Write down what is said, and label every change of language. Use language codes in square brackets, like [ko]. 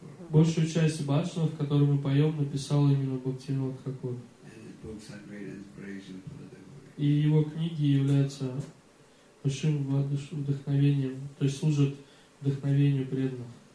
[ru] Большую часть бхаджанов, которые мы поем, написал именно Бхактивинода Тхакура. [en] And his books are great inspiration for the. [ru] И его книги являются большим вдохновением, то есть служат вдохновению преданных.